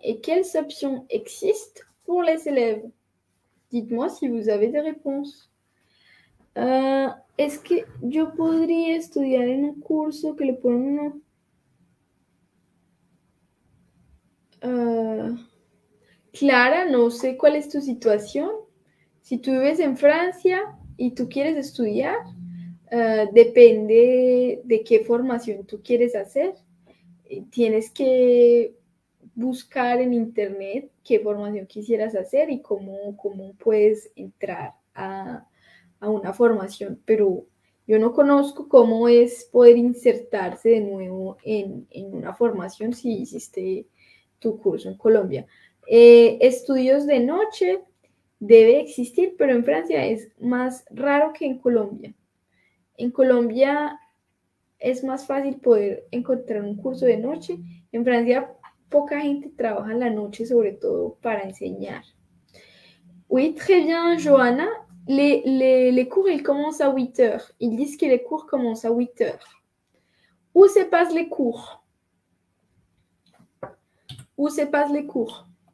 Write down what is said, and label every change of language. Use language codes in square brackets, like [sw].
[fr] Et quelles options existent pour les élèves? Dites-moi si vous avez des réponses. Est-ce que je pourrais étudier un cours que le pôle? [es] Clara, no sé cuál es tu situación. Si tú vives en Francia y tú quieres estudiar, depende de qué formación tú quieres hacer. Tienes que buscar en internet qué formación quisieras hacer y cómo puedes entrar a una formación. Pero yo no conozco cómo es poder insertarse de nuevo en una formación si hiciste tu curso en Colombia. Estudios de noche debe existir, pero en Francia es más raro que en Colombia. En Colombia es más fácil poder encontrar un curso de noche. En Francia poca gente trabaja en la noche, sobre todo para enseñar. [fr] Oui, très bien, Johanna. Les cours, ils commencent à 8 heures. Ils disent que les cours commencent à 8 heures. Où se passent les cours? Où se passent les cours?